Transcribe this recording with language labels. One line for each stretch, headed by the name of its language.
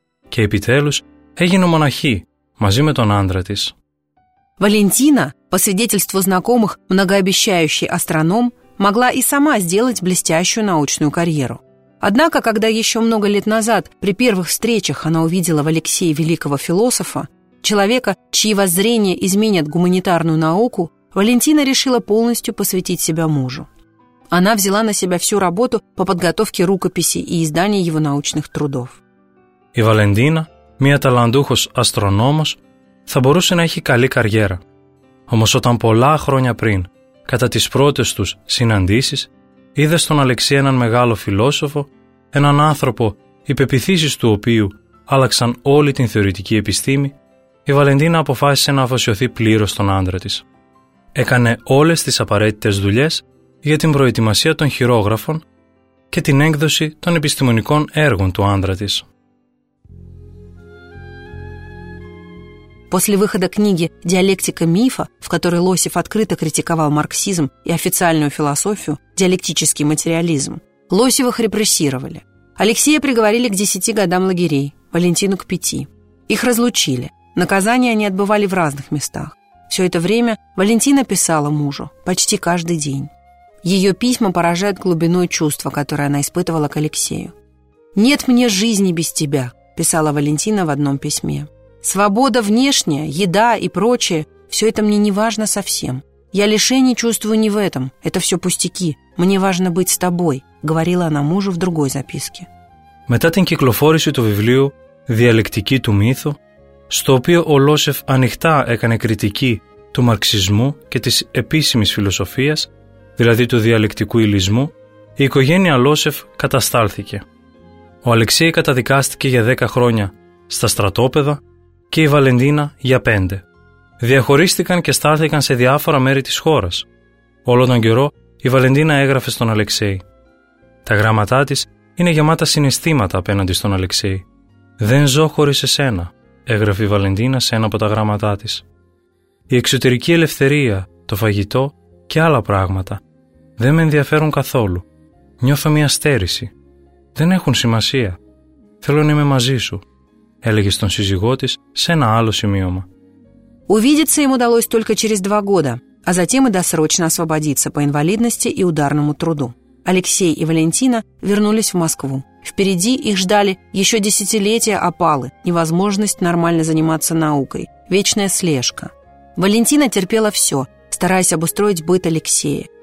Greek: Και επιτέλους έγινε μοναχή μαζί με τον άνδρα της.
Russian: Βαλεντίνα, по свидетельству знакомых, многообещающий астроном, могла и сама сделать блестящую научную карьеру. Однако, когда еще много лет назад, при первых встречах, она увидела в Алексее великого философа, человека, чьи воззрения изменят гуманитарную науку, Валентина решила полностью посвятить себя мужу. Она взяла на себя всю работу по подготовке рукописи и изданию его научных трудов.
Greek: И Валентина, мия талантухос астрономос, θα μπορούσε να έχει καλή καριέρα. Όμως όταν πολλά χρόνια πριν, κατά τις πρώτες τους συναντήσεις, είδε στον Αλεξή έναν μεγάλο φιλόσοφο, έναν άνθρωπο, οι πεπιθήσεις του οποίου άλλαξαν όλη την θεωρητική επιστήμη, η Βαλεντίνα αποφάσισε να αφοσιωθεί πλήρως στον άντρα της. Έκανε όλες τις απαραίτητες δουλειές για την προετοιμασία των χειρόγραφων και την έκδοση των επιστημονικών έργων του άντρα της.
Russian: После выхода книги «Диалектика мифа», в которой Лосев открыто критиковал марксизм и официальную философию, диалектический материализм, Лосевых репрессировали. Алексея приговорили к 10 годам лагерей, Валентину к 5. Их разлучили. Наказания они отбывали в разных местах. Все это время Валентина писала мужу почти каждый день. Ее письма поражают глубиной чувства, которое она испытывала к Алексею. «Нет мне жизни без тебя», – писала Валентина в одном письме. «Свобода внешняя, еда и прочее – все это мне не важно совсем. Я лишений чувствую не в этом, это все пустяки. Мне важно быть с тобой», – говорила она мужу в другой записке.
Greek: Μετά την κυκλοφόρηση του βιβλίου «Διαλεκτική του μύθου», στο οποίο ο Λόσεφ ανοιχτά έκανε κριτική του μαρξισμού και της επίσημης φιλοσοφίας, δηλαδή του διαλεκτικού υλισμού, η οικογένεια Λόσεφ καταστάλθηκε. Ο Αλεξέη καταδικάστηκε για 10 χρόνια στα στρατόπεδα και η Βαλεντίνα για 5. Διαχωρίστηκαν και στάθηκαν σε διάφορα μέρη της χώρας. Όλο τον καιρό η Βαλεντίνα έγραφε στον Αλεξέη. Τα γράμματά της είναι γεμάτα συναισθήματα απέναντι στον Αλεξέη. «Δεν ζω χωρίς εσένα», έγραφε η Βαλεντίνα σε ένα από τα γράμματά της. «Η εξωτερική ελευθερία, το φαγητό και άλλα πράγματα δεν με ενδιαφέρουν καθόλου. Νιώθω μια στέρηση. Δεν έχουν σημασία. Θέλω να είμαι μαζί σου», έλεγε στον σύζυγό της σε ένα άλλο σημείωμα.
Russian: Увидеться им удалось только через 2 года, а затем и досрочно освободиться по инвалидности и ударному труду. Алексей и Валентина вернулись в Москву. Впереди их ждали еще десятилетия опалы, невозможность нормально заниматься наукой, вечная слежка. Валентина терпела все, стараясь обустроить быт Алексея.